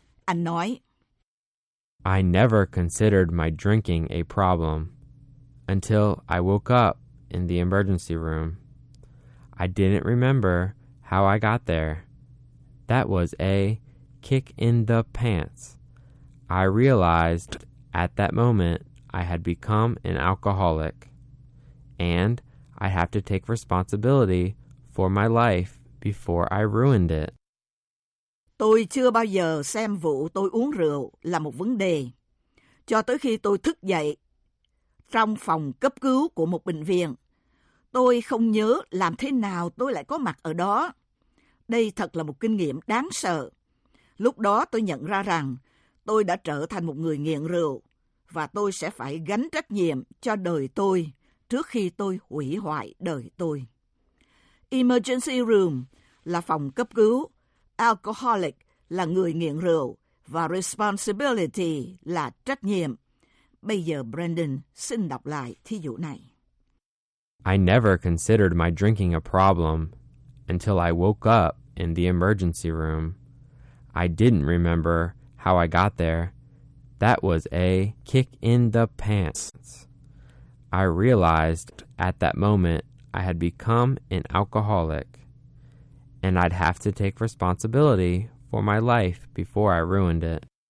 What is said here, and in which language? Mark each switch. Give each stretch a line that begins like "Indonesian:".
Vietnamese: Anh nói,
English: I never considered my drinking a problem until I woke up in the emergency room. I didn't remember how I got there. That was a kick in the pants. I realized at that moment I had become an alcoholic, and I have to take responsibility for my life before I ruined it.
Vietnamese: Tôi chưa bao giờ xem vụ tôi uống rượu là một vấn đề, cho tới khi tôi thức dậy trong phòng cấp cứu của một bệnh viện. Tôi không nhớ làm thế nào tôi lại có mặt ở đó. Đây thật là một kinh nghiệm đáng sợ. Lúc đó tôi nhận ra rằng tôi đã trở thành một người nghiện rượu và tôi sẽ phải gánh trách nhiệm cho đời tôi trước khi tôi hủy hoại đời tôi. Emergency room là phòng cấp cứu, alcoholic là người nghiện rượu và responsibility là trách nhiệm. Bây giờ Brandon xin đọc lại thí dụ này.
English: I never considered my drinking a problem until I woke up in the emergency room. I didn't remember how I got there. That was a kick in the pants. I realized at that moment I had become an alcoholic, and I'd have to take responsibility for my life before I ruined it.